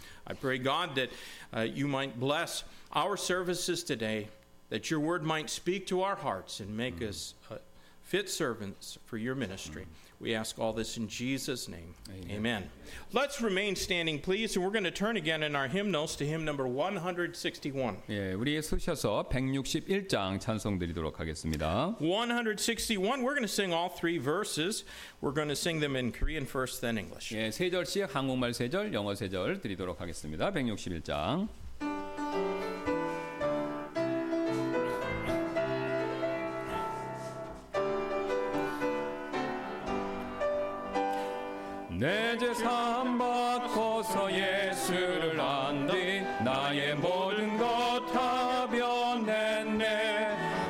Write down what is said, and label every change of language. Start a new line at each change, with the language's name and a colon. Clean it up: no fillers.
English: I pray, God, that you might bless our services today, that your word might speak to our hearts and make us fit servants for your ministry. We ask all this in Jesus' name. Amen. Amen. Let's remain standing, please. And we're going to turn again in our hymnals to hymn number 161.
Korean: 예, 우리 쓰셔서 161장 찬송드리도록 하겠습니다.
English: 161, we're going to sing all three verses. We're going to sing them in Korean first, then English.
Korean: 예, 세 절씩 한국말 세 절, 영어 세 절 드리도록 하겠습니다. 161장. 내 재산 받고서 예수를 안 뒤 나의 모든 것 다 변했네.